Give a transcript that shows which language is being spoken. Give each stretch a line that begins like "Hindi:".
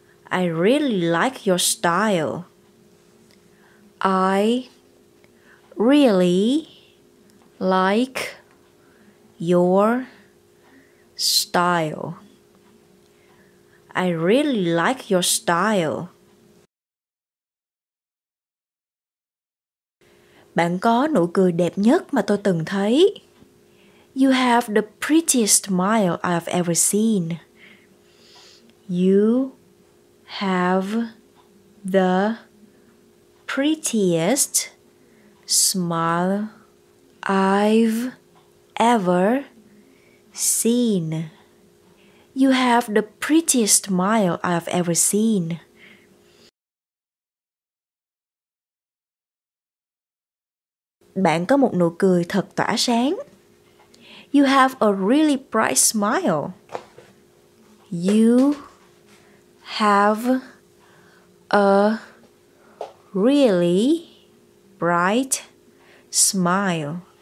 English: I really like your style. I really like your style. I really like your style.
Vietnamese: Bạn có nụ cười đẹp nhất mà tôi từng thấy.
English: You have the prettiest smile I've ever seen. You have the prettiest smile I've ever seen. You have the prettiest smile I've ever seen.
Vietnamese: Bạn có một nụ cười thật tỏa sáng.
English: You have a really bright smile. You have a really bright smile.